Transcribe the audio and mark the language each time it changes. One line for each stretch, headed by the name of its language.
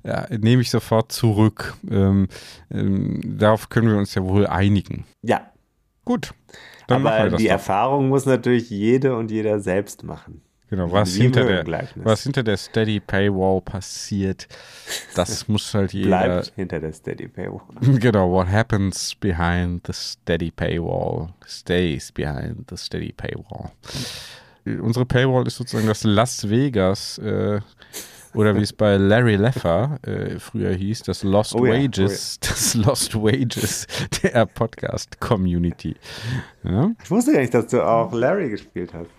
German: Nehme ich sofort zurück. Darauf können wir uns ja wohl einigen. Ja. Gut. Dann aber machen wir das die doch. Erfahrung muss natürlich jede und jeder selbst machen. Genau, was hinter der Steady Paywall passiert, das muss halt jeder... Bleibt hinter der Steady Paywall.
English: Genau, what happens behind the Steady Paywall stays behind the Steady Paywall.
German: Unsere Paywall ist sozusagen das Las Vegas, oder wie es bei Larry Leffer früher hieß, das Lost Wages, das Lost Wages der Podcast-Community. Ja? Ich wusste gar nicht, dass du auch Larry gespielt hast.